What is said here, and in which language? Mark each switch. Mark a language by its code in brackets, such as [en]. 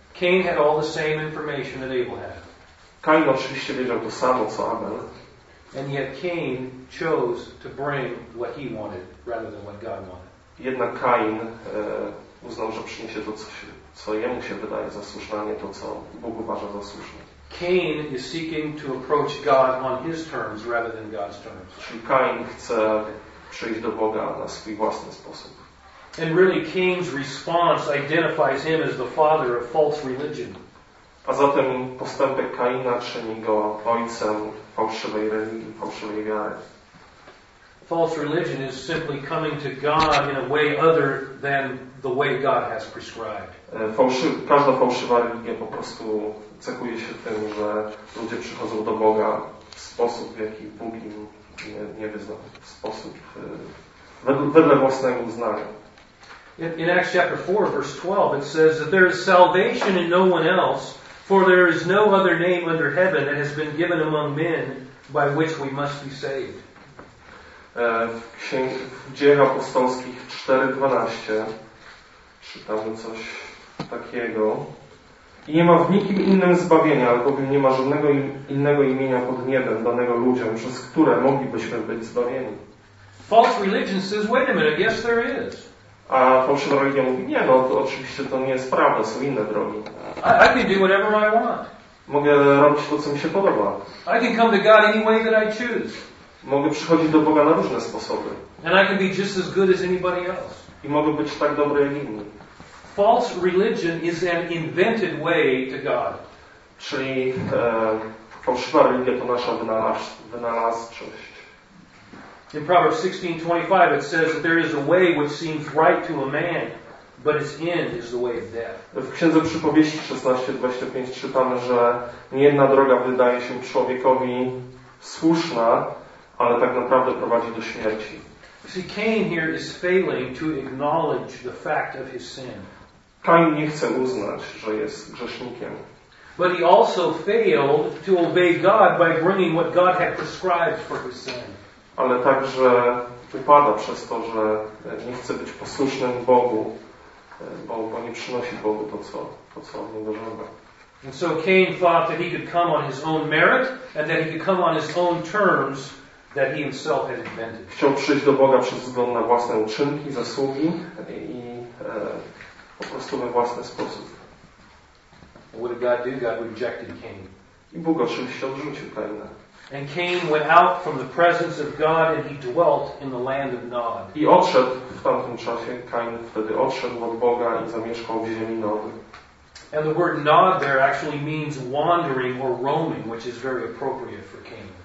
[en] Cain had all the same information that Abel had. [pl] Kain oczywiście wiedział to samo, co Abel. [en] And yet Cain chose to bring what he wanted rather than what God wanted. [pl] Jednak Kain uznał, że przyniesie to, co jemu się wydaje za słuszne, a nie to, co Bóg uważa za słuszne. [en] Cain is seeking to approach God on his terms rather than God's terms. [pl] Czyli Kain chce przyjść do Boga na swój własny sposób. [en] And really Cain's response identifies him as the father of false religion. [pl] A zatem postępek Kaina czyni go ojcem fałszywej religii, fałszywej wiary. [en] False religion is simply coming to God in a way other than the way God has prescribed. [pl] Każda fałszywa religia po prostu cechuje się tym, że ludzie przychodzą do Boga w sposób, w jaki Bóg im nie wyznał, w sposób wedle własnego uznania. [en] In Acts chapter 4, verse 12, it says that there is salvation in no one else, for there is no other name under heaven that has been given among men by which we must be saved. [pl] W Dziejach Apostolskich 4:12 czytamy coś takiego. I nie ma w nikim innym zbawienia, albowiem nie ma żadnego innego imienia pod niebem danego ludziom, przez które moglibyśmy być zbawieni. [en] False religion says, wait a minute, yes there is. [pl] A fałszywa religia mówi, nie, no to oczywiście to nie jest prawda, są inne drogi. [en] I can do whatever I want. [pl] Mogę robić to, co mi się podoba. [en] I can come to God any way that I choose. [pl] Mogę przychodzić do Boga na różne sposoby. [en] And I can be just as good as anybody else. [pl] I mogę być tak dobry jak inni. [en] False religion is an invented way to God. [pl] Czyli fałszywa religia to nasza wynalazczość. [en] In Proverbs 16:25 it says that there is a way which seems right to a man, but its end is the way of death. [pl] W Księdze Przypowieści 16:25 czytamy, że niejedna droga wydaje się człowiekowi słuszna, ale tak naprawdę prowadzi do śmierci. [en] See, Cain here is failing to acknowledge the fact of his sin. [pl] Kain nie chce uznać, że jest grzesznikiem. [en] But he also failed to obey God by bringing what God had prescribed for his sin. [pl] Ale także upada przez to, że nie chce być posłusznym Bogu, bo nie przynosi Bogu to co od niego żąda. [en] And so Cain thought that he could come on his own merit and that he could come on his own terms. That he himself had invented. [pl] Chciał przyjść do Boga przez względ na własne uczynki, zasługi i po prostu we własny sposób. [en] What did God do? God rejected Cain. [pl] I Bóg oczywiście odrzucił Kaina. [en] And Cain went out from the presence of God and he dwelt in the land of Nod. [pl] I odszedł w tamtym czasie, Kain wtedy odszedł od Boga i zamieszkał w ziemi Nod. [en] And the word Nod there actually means wandering or roaming, which is very appropriate for Cain.